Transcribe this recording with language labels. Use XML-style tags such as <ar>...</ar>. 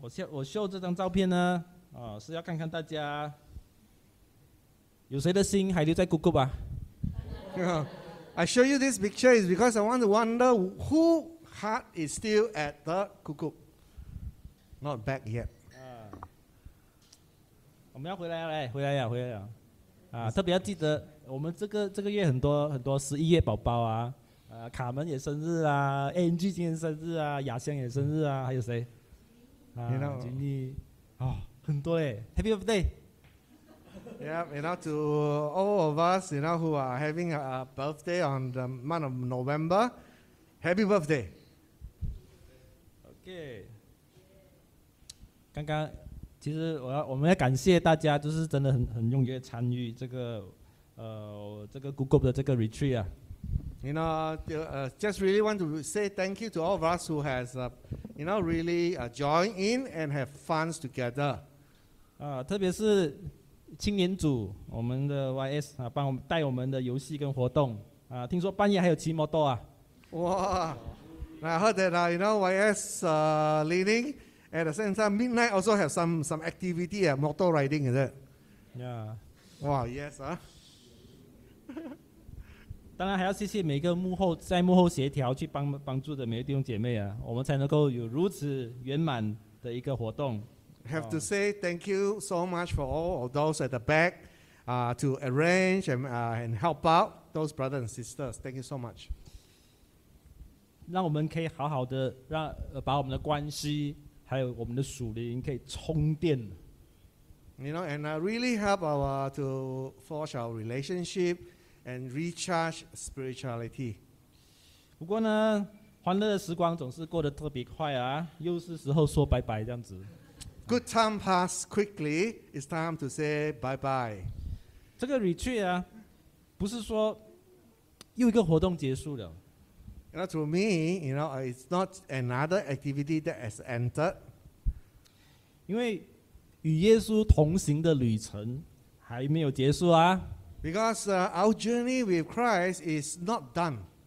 <zh>我秀这张照片呢，是要看看大家有谁的心还留在姑姑吧。</zh> <en>I show you this picture is because I want to wonder who heart is still at the cuckoo, not back yet.</en> <zh>我们要回来了，回来了，回来了。特别要记得，我们这个月很多很多十一月宝宝啊，卡门也生日啊 ，Ang 今天生日啊，雅香也生日啊，还有谁？吉尼，很多嘞 ，</zh> <en>Happy birthday。 Yeah, you know, to all of us, you know, who are having a birthday on the month of November, happy birthday. Okay.</en> <zh>刚刚，其实我们要感谢大家，就是真的很踊跃参与这个 Google 的这个 retreat 啊。</zh> <en>You know, just really want to say thank you to all of us who has, you know, really join in and have fun together.</en> <zh>特别是青年组，我们的 YS 啊，帮我们带我们的游戏跟活动啊，听说半夜还有骑摩托啊！</zh> <en>哇 ，I heard that you know YS leading at the same time midnight also have some activity at motor riding is it？ Yeah，哇 ，Yes 啊！</en> <zh>当然还要谢谢每一个幕后协调去帮助的每一个弟兄姐妹啊，我们才能够有如此圆满的一个活动。</zh> <en>Have to say thank you so much for all of those at the back, to arrange and help out those brothers and sisters. Thank you so much.</en> <zh>让我们可以好好的让把我们的关系还有我们的属灵可以充电。</zh> <en>You know, and really help to forge our relationship and recharge spirituality.</en> <zh>不过呢，欢乐的时光总是过得特别快啊，又是时候说拜拜这样子。</zh> <en>Good time passed quickly. It's time to say bye bye.</en> <zh>这个 retreat 啊，不是说又一个活动结束了。</zh> <en>You know, to me, you know, it's not another activity that has ended.</en> <zh>因为与耶稣同行的旅程还没有结束啊。</zh> <en>Because our journey with Christ is not done.</en>